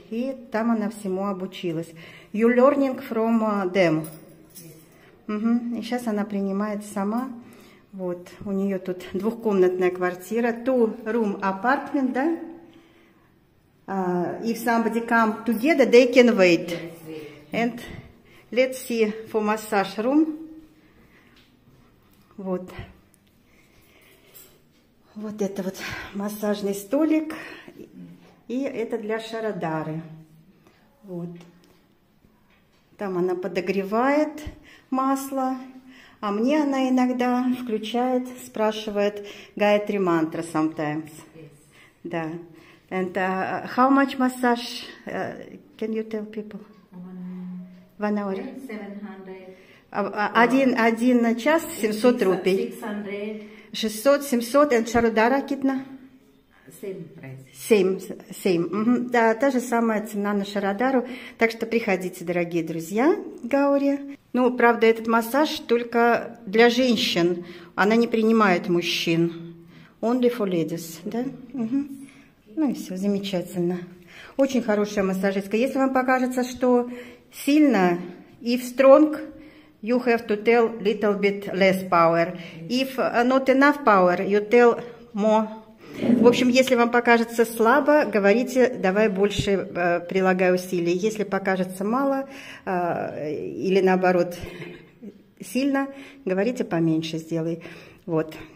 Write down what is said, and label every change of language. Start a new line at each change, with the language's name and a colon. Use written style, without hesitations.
Russian: И там она всему обучилась.
English: You learning from them.
Russian: И сейчас она принимает сама. Вот. У нее тут двухкомнатная квартира.
English: Two room apartment, да? If somebody come together, they can wait. And let's see for massage room.
Russian: Вот. Вот это вот массажный столик. И это для Шарадары. Вот. Там она подогревает масло. А мне она иногда включает, спрашивает Гаятри мантра sometimes. Да.
English: And how much massage can you tell people? 1 hour.
Russian: Один час 700 рупий.
English: 600-700, and Шарудара
Hindi: китна?
English: Same.
Russian: Да, та же самая цена на Шарадару. Так что приходите, дорогие друзья, Гаури. Ну, правда, этот массаж только для женщин. Она не принимает мужчин.
English: Only for ladies, да?
Russian: Ну и все, замечательно. Очень хорошая массажистка. Если вам покажется, что сильно,
English: if strong, you have to tell little bit less power. If not enough power, you tell more.
Russian: В общем, если вам покажется слабо, говорите, давай больше прилагай усилий. Если покажется мало или наоборот сильно, говорите поменьше сделай. Вот.